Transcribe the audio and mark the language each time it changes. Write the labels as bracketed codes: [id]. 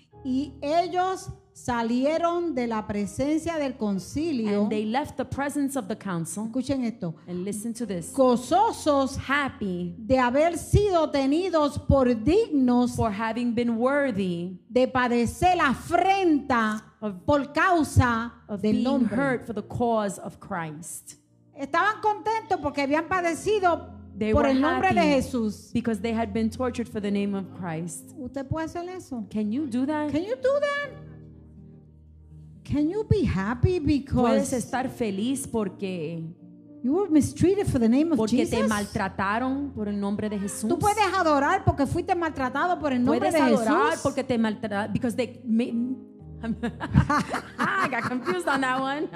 [es] Y ellos salieron de la presencia del concilio. [en] And they left the presence of the council. [es] Escuchen esto. [en] And listen to this. [es] Gozosos, [en] happy, [es] de haber sido tenidos por dignos, [en] for having been worthy, [es] de padecer la afrenta por causa [en] of [es] del nombre, [en] being hurt for the cause of Christ. [es] Estaban contentos porque habían padecido [en] they [es] por el nombre de Jesús. [en] Because they had been tortured for the name of Christ. [es] ¿Usted puede hacer eso? [en] Can you do that? Can you do that? Can you be happy because [es] puedes estar feliz porque [en] you were mistreated for the name of [es] porque [en] Jesus? [es] Te maltrataron por el nombre de Jesús. Tú puedes adorar porque fuiste maltratado por el nombre de Jesús. Puedes adorar porque te maltrataron [en] because they I got confused on that one.